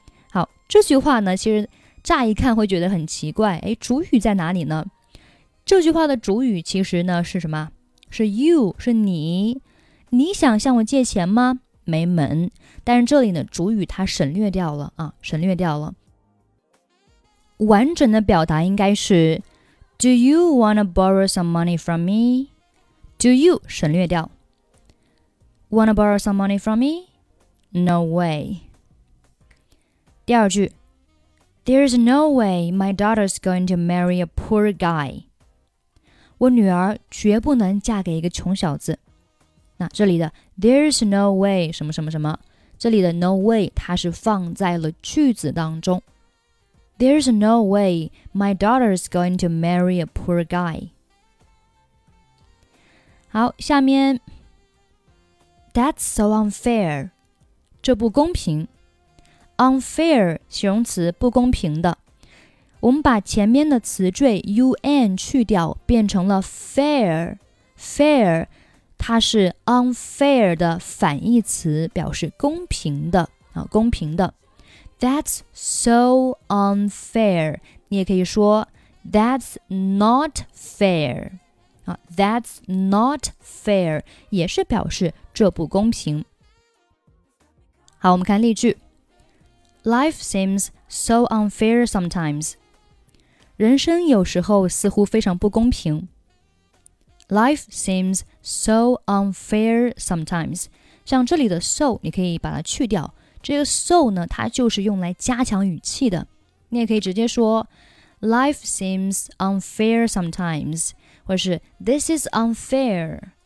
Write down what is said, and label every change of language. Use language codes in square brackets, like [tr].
[zh] 好，这句话呢，其实乍一看会觉得很奇怪。哎，主语在哪里呢？这句话的主语其实呢是什么？是 you， 是你。你想向我借钱吗？没门。但是这里呢，主语它省略掉了啊，省略掉了。完整的表达应该是 [en] Do you want to borrow some money from me? Do you [zh] 省略掉。 [en] Wanna borrow some money from me? No way. [zh] 第二句 [en] There's no way my daughter's going to marry a poor guy. [zh] 我女儿绝不能嫁给一个穷小子。那这里的 [en] There's no way [zh] 什么什么什么，这里的 [en] no way [zh] 它是放在了句子当中。 [en] There's no way my daughter's going to marry a poor guy. [zh] 好，下面 [en] That's so unfair. [zh] 这不公平。 [en] Unfair, [zh] 形容词不公平的。我们把前面的词缀 un 去掉变成了 fair。 Fair, 它是 unfair 的反义词表示公平的。公平的。 [en] That's so unfair. [zh] 你也可以说 [en] That's not fair. That's not fair [zh] 也是表示这不公平。好，我们看例句。 [en] Life seems so unfair sometimes. [zh] 人生有时候似乎非常不公平。 [en] Life seems so unfair sometimes. [zh] 像这里的 so, 你可以把它去掉。这个 so 呢，它就是用来加强语气的。你也可以直接说 [en] Life seems unfair sometimes. [zh] 或是 [en] This is unfair.